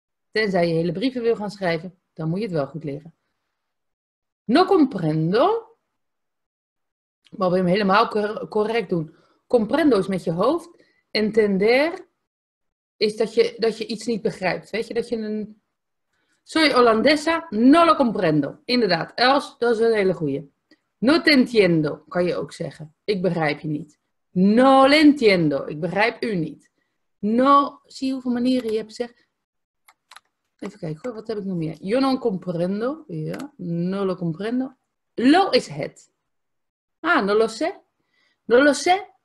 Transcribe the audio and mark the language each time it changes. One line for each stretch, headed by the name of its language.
Dutch: Tenzij je hele brieven wil gaan schrijven, dan moet je het wel goed leren.
Spanish: No comprendo.
Dutch: Maar wil je hem helemaal correct doen. Comprendo is met je hoofd. Entender is dat je iets niet begrijpt. Weet je, dat je een...
Spanish: Soy Hollandesa, no lo comprendo.
Dutch: Inderdaad, Els, dat is een hele goeie.
Spanish: No te entiendo,
Dutch: kan je ook zeggen. Ik begrijp je niet.
Spanish: No le entiendo,
Dutch: ik begrijp u niet. No, zie hoeveel manieren je hebt gezegd. Even kijken hoor, wat heb ik nog meer?
Spanish: Yo no comprendo. Ja, no lo comprendo. Lo
Dutch: is het.
Spanish: Ah, no lo sé. No lo sé.